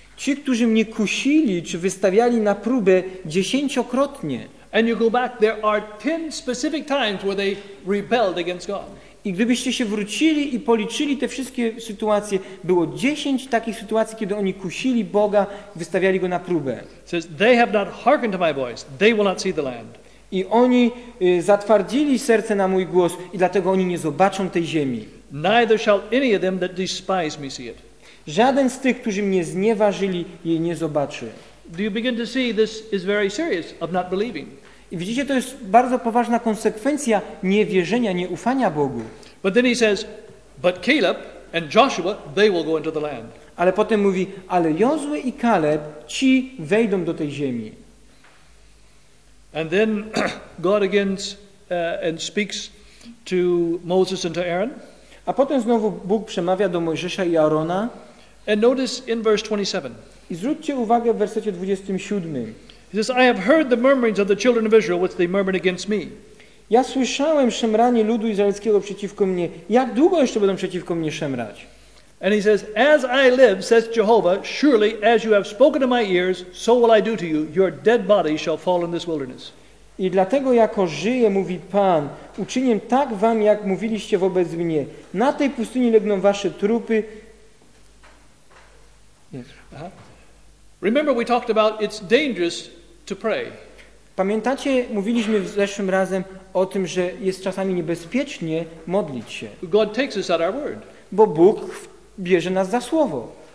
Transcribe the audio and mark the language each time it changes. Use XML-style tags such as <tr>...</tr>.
<pl>Ci, którzy mnie kusili, czy wystawiali na próbę 10-krotnie.</pl> <en>And you go back, there are 10 specific times where they rebelled against God.</en> <pl>I gdybyście się wrócili i policzyli te wszystkie sytuacje, było 10 takich sytuacji, kiedy oni kusili Boga, wystawiali go na próbę.</pl> <en>It says, they have not hearkened to my voice, they will not see the land.</en> <pl>I oni zatwardzili serce na mój głos i dlatego oni nie zobaczą tej ziemi.</pl> <en>Neither shall any of them that despise me see it.</en> <pl>Żaden z tych, którzy mnie znieważyli, jej nie zobaczy.</pl> <en>Do you begin to see this is very serious of not believing?</en> <pl>I widzicie, to jest bardzo poważna konsekwencja niewierzenia, nieufania Bogu.</pl> <en>But then he says, but Caleb and Joshua, they will go into the land.</en> <pl>Ale potem mówi, ale Jozue i Kaleb, ci wejdą do tej ziemi.</pl> <en>And then God again and speaks to Moses and to Aaron.</en> <pl>A potem znowu Bóg przemawia do Mojżesza i Aarona.</pl> <en>And notice in verse 27.</en> <pl>I zwróćcie uwagę w wersecie 27.</pl> <en>He says, I have heard the murmurings of the children of Israel, which they murmured against me.</en> <pl>Ja słyszałem szemranie ludu izraelskiego przeciwko mnie. Jak długo jeszcze będą przeciwko mnie szemrać?</pl> <en>And he says, as I live, says Jehovah, surely as you have spoken in my ears, so will I do to you. Your dead body shall fall in this wilderness.</en> <pl>I dlatego jako żyję, mówi Pan, uczynię tak wam, jak mówiliście wobec mnie. Na tej pustyni legną wasze trupy.</pl> <en>Remember we talked about it's dangerous to pray.</en> <pl>Pamiętacie, mówiliśmy w zeszłym razem o tym, że jest czasami niebezpiecznie modlić się.</pl> <en>God takes us at our word.</en> <pl>Bo Bóg bierze nas za słowo.</pl>